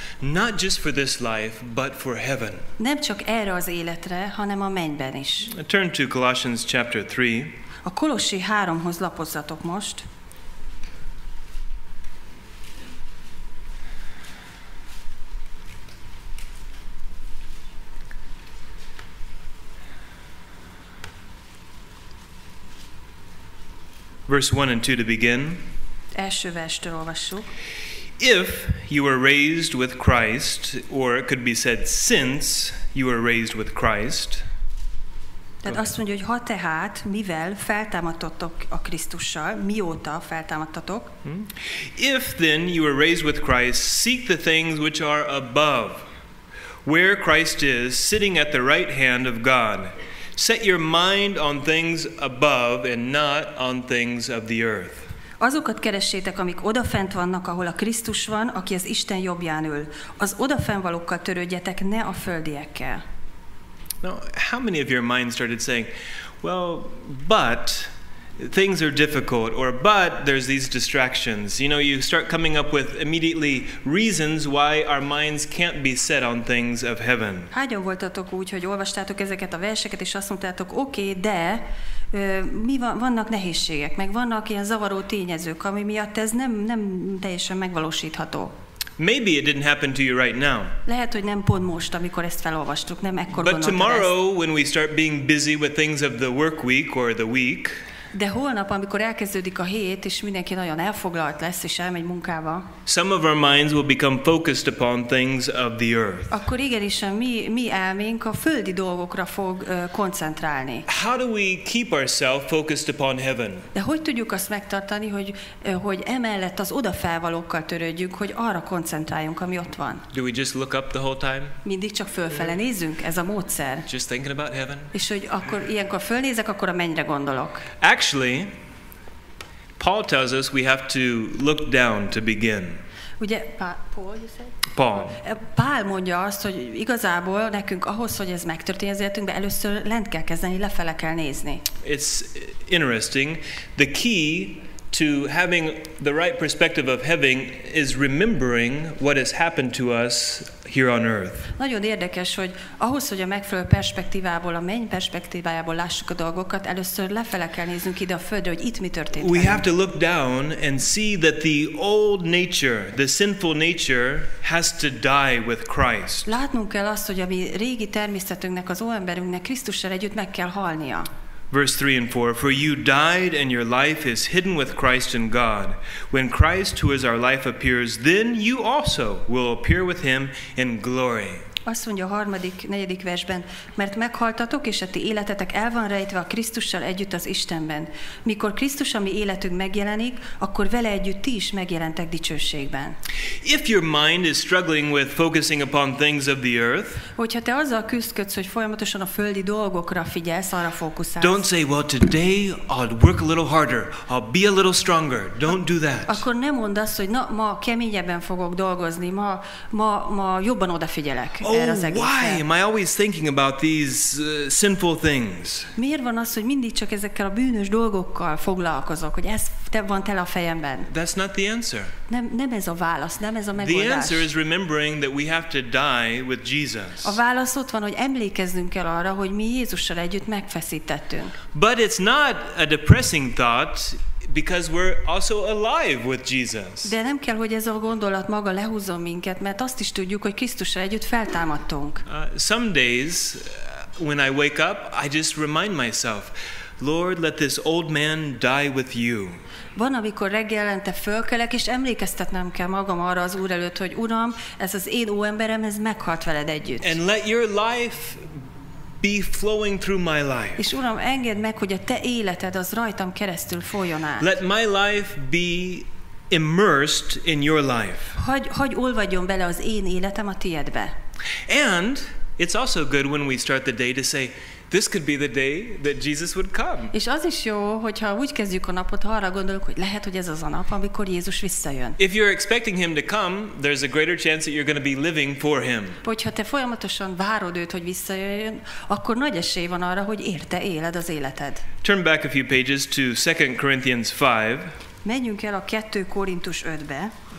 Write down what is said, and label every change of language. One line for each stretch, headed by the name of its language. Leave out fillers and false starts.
English: Not just for this life, but for heaven.
Hungarian: Nem csak erre az életre, hanem a mennyben is.
English: Turn to Colossians chapter 3.
Hungarian: A Kolossi 3-hoz lapozzatok most.
English: Verse 1 and 2 to begin.
Hungarian: Első verstől olvassuk.
English: If you were raised with Christ, or it could be said since you were raised with Christ.
Hungarian: Tehát azt mondja, hogy ha tehát, mivel feltámadtatok a Krisztussal, mióta feltámadtatok.
English: If then you were raised with Christ, seek the things which are above, where Christ is, sitting at the right hand of God. Set your mind on things above and not on things of the earth.
Hungarian: Azokat keressétek, amik odafent vannak, ahol a Krisztus van, aki az Isten jobbján ül. Az odafennvalókkal törődjetek, ne a földiekkel.
English: Now, how many of your minds started saying, well, but things are difficult, or but there's these distractions. You know, you start coming up with immediately reasons why our minds can't be set on things of heaven.
Hungarian: Hányan voltatok úgy, hogy olvastátok ezeket a verseket, és azt mondtátok, oké, de mi vannak nehézségek, meg vannak ilyen zavaró tényezők, ami miatt ez nem teljesen megvalósítható.
English: Maybe it didn't happen to you right now.
Hungarian: Lehet, hogy nem pont most, amikor ezt felolvastuk, nem ekkor gondoltad ezt.
English: But tomorrow, when we start being busy with things of the work week or the week,
Hungarian: de holnap, amikor elkezdődik a hét, és mindenki nagyon elfoglalt lesz, és elmegy munkába,
English: some of our minds will become focused upon things of the earth.
Hungarian: Akkor igenis a mi elménk a földi dolgokra fog koncentrálni.
English: How do we keep ourselves focused upon heaven?
Hungarian: De hogy tudjuk azt megtartani, hogy emellett az odafelvalókkal törődjünk, hogy arra koncentráljunk, ami ott van?
English: Do we just look up the whole time?
Hungarian: Mindig csak fölfele nézünk, ez a módszer.
English: Just thinking about heaven?
Hungarian: És hogy akkor ilyenkor fölnézek, akkor a mennyre gondolok.
English: Actually, Paul tells us we have to look down to begin.
Hungarian: Ugye,
English: Paul, you said? Paul.
Hungarian: Paul mondja azt, hogy igazából nekünk ahhoz, hogy ez megtörténjen az életünkben, először lent kell kezdeni, lefele kell nézni.
English: It's interesting. The key to having the right perspective of heaven is remembering what has happened to us here on earth.
Hungarian: Nagyon érdekes, hogy ahhoz, hogy a megfelelő perspektívából, a menny perspektívájából lássuk a dolgokat, először lefele kell néznünk ide a földre, hogy itt mi történt.
English: We have to look down and see that the old nature, the sinful nature has to die with Christ.
Hungarian: Látnunk kell azt, hogy a mi régi természetünknek, az óemberünknek Krisztussal együtt meg kell halnia.
English: Verse 3 and 4, for you died and your life is hidden with Christ in God. When Christ, who is our life, appears, then you also will appear with him in glory.
Hungarian: Azt mondja a harmadik, negyedik versben, mert meghaltatok, és a ti életetek el van rejtve a Krisztussal együtt az Istenben. Mikor Krisztus a mi életünk megjelenik, akkor vele együtt ti is megjelentek dicsőségben.
English: If your mind is struggling with focusing upon things of the earth,
Hungarian: hogyha te azzal küzdködsz, hogy folyamatosan a földi dolgokra figyelsz, arra fókuszálsz.
English: Don't say, well, today I'll work a little harder, I'll be a little stronger. Don't do that.
Hungarian: Akkor nem mondd azt, hogy na, ma keményebben fogok dolgozni, ma jobban odafigyelek.
English: Oh, why am I always thinking about these sinful things?
Hungarian: Miért van az, hogy mindig csak ezekkel a bűnös dolgokkal foglalkozok, hogy ez van tele a fejemben?
English: That's not the answer.
Hungarian: Nem ez a válasz, nem ez a megoldás.
English: The answer is remembering that we have to die with Jesus.
Hungarian: A válasz ott van, hogy emlékeznünk kell arra, hogy mi Jézussal együtt megfeszítettünk.
English: But it's not a depressing thought, because we're also alive with Jesus.
Hungarian: De nem kell, hogy ez a gondolat maga lehúzzon minket, mert azt is tudjuk, hogy Krisztussal együtt feltámadtunk.
English: Some days when I wake up, I just remind myself, Lord, let this old man die with you.
Hungarian: Van, amikor reggelente fölkelek, és emlékeztetnem kell magam arra az Úr előtt, hogy Uram, ez az én óemberem, ez meghalt veled együtt.
English: And let your life be flowing through my life.
Hungarian: És Uram, engedd meg, hogy a te életed az rajtam keresztül folyjon át.
English: Let my life be immersed in your life.
Hungarian: Hagy olvadjon bele az én életem a tiédbe.
English: And it's also good when we start the day to say, this could be the day that Jesus would come.
Hungarian: És az is jó, hogyha úgy kezdjük a napot, ha arra gondolok, hogy lehet, hogy ez az a nap, amikor Jézus visszajön.
English: If you're expecting him to come, there's a greater chance that you're going to be living for him.
Hungarian: Hogyha te folyamatosan várod őt, hogy visszajön, akkor nagy esély van arra, hogy érte éled az életed.
English: Turn back a few pages to 2 Corinthians 5.
Hungarian: Menjünk el a 2 Korintus 5-be.